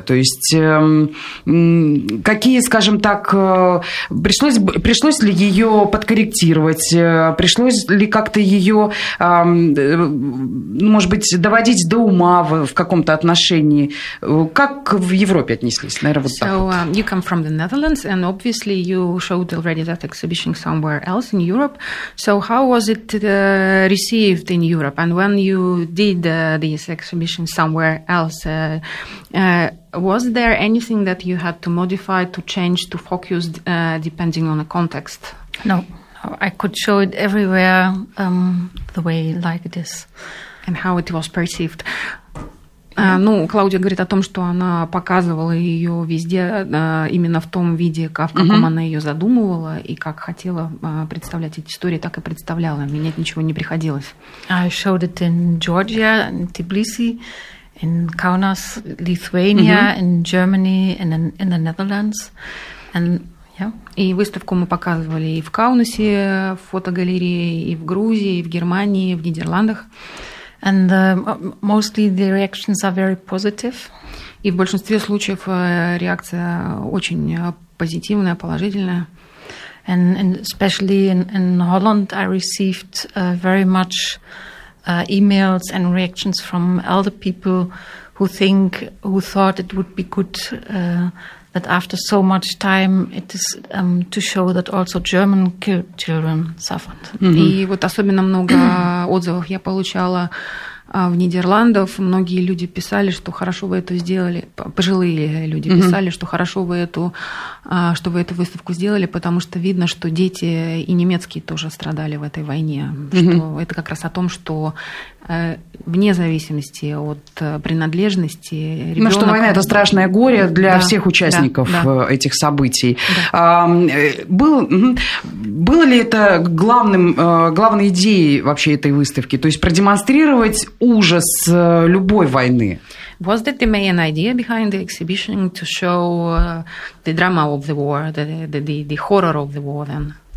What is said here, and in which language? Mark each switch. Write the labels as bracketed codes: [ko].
[ru] То есть, какие, скажем так, пришлось ли ее подкорректировать, пришлось ли как-то ее, может быть, доводить до ума в каком-то отношении? Как в Европе отнеслись? Наверное, вот [en] so, [ru] так вот. [en] You come from the Netherlands, and obviously you showed already that exhibition somewhere else in Europe. So how was it received in Europe? And when you did this exhibition somewhere else, was there anything that you had to modify, to change, to focus, depending on the context? No, I could show it everywhere the way like this. And how it was perceived. [ru] Ну, Клаудия говорит о том, что она показывала ее везде именно в том виде, как, в каком она ее задумывала, и как хотела представлять эти истории, так и представляла. Менять ничего не приходилось. [en] I showed it in Georgia, in Tbilisi, in Kaunas, Lithuania, in Germany, in the Netherlands. And [ru] И выставку мы показывали и в Каунасе, в фотогалерее, и в Грузии, и в Германии, и в Нидерландах. [en] And mostly the reactions are very positive. [ru] И в большинстве случаев реакция очень позитивная, положительная. [en] And, and especially in Holland, I received very much emails and reactions from elder people who thought it would be good that after so much time it is to show that also German children suffered. [ru] И вот особенно много отзывов я получала в Нидерландах. Многие люди писали, что хорошо вы это сделали. Пожилые люди писали, что хорошо вы эту, что вы эту выставку сделали, потому что видно, что дети и немецкие тоже страдали в этой войне. Что это как раз о том, что вне зависимости от принадлежности ребёнок... Ну, что война – это страшное горе для всех участников этих событий. Да. Было ли это главной идеей вообще этой выставки? То есть продемонстрировать ужас любой войны? [en] Was that the main idea behind the exhibition, to show the drama of the war, the horror of the war then?